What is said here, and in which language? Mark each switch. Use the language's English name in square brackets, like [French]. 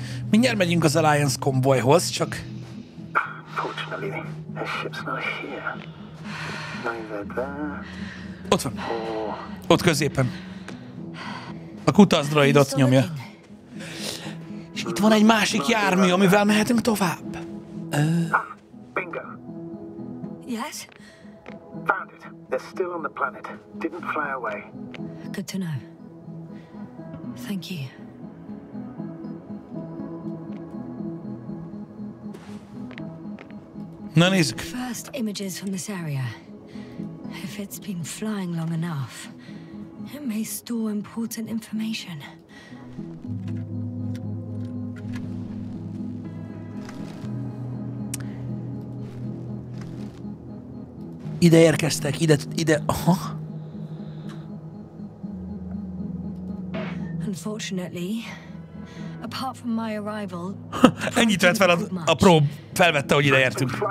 [Hungarian] Mindjárt megyünk az Alliance konvojhoz, csak... [English] Fortunately, the ship's not here. Neither there... [Hungarian] Ott van. Ott középen. A kutazdroid ott nyomja. És itt van egy másik jármű, amivel mehetünk tovább. [English] Bingo. Yes? Found it. They're still on the planet. Didn't fly away. Good to know. Thank you. [Hungarian] Na nézzük. [English] First images from this area. If it's been flying long enough, it may store important information. [Hungarian] Ide érkeztek, ide, ide, aha. [English] Unfortunately, apart from my arrival, [Hungarian] ennyit vett fel a prób, felvette, hogy ide értünk.